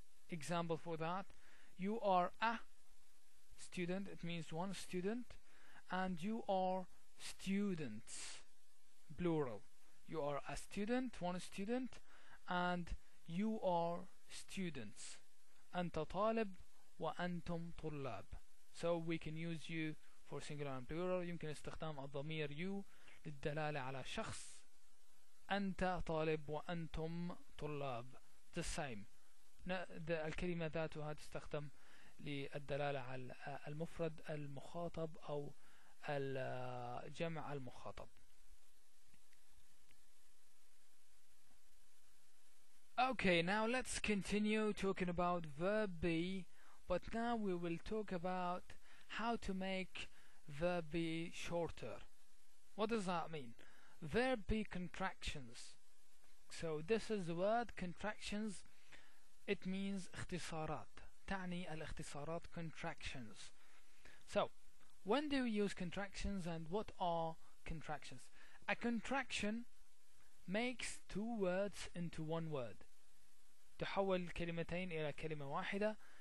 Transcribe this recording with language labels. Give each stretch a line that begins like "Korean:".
English: Example for that, you are a student, it means one student, and you are students, plural. You are a student, one student, and you are students.
Arabic: أنت طالب وأنتم طلاب.
English: So we can use you for singular and plural.
Arabic: يمكن استخدام الضمير you للدلالة على شخص. أنت طالب وأنتم طلاب.
English: The same.
Arabic: The الكلمة ذاتها تستخدم للدلالة على المفرد المخاطب أو الجمع المخاطب.
English: Okay, now let's continue talking about verb be, but now we will talk about how to make verb be shorter. What does that mean? Verb be contractions. So this is the word contractions. It means اختصارات.
Arabic: تعني الاختصارات contractions.
English: So when do you use contractions and what are contractions? A contraction makes two words into one word.
Arabic: تحول كلمتين إلى كلمة واحدة.